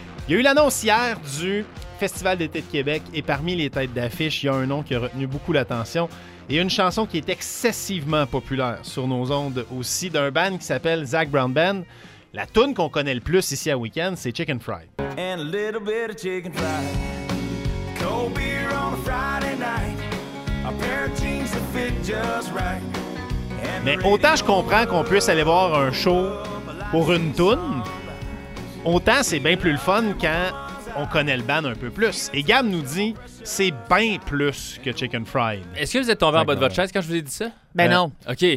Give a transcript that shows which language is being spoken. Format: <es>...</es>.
<fr>Il y a eu l'annonce hier du Festival d'été de Québec et parmi les têtes d'affiche, il y a un nom qui a retenu beaucoup l'attention et une chanson qui est excessivement populaire sur nos ondes aussi d'un band qui s'appelle Zac Brown Band. La toune qu'on connaît le plus ici à Weekend, c'est Chicken Fried.</fr> <en>And a little bit of chicken fried. Cold beer on a Friday night. A pair of jeans that fit just right.</en> <fr>Mais autant je comprends qu'on puisse aller voir un show pour une toune, autant c'est bien plus le fun quand on connaît le band un peu plus. Et Gab nous dit, c'est bien plus que Chicken Fried. Est-ce que vous êtes tombé en bas de votre chaise quand je vous ai dit ça? Ben non. OK.</fr>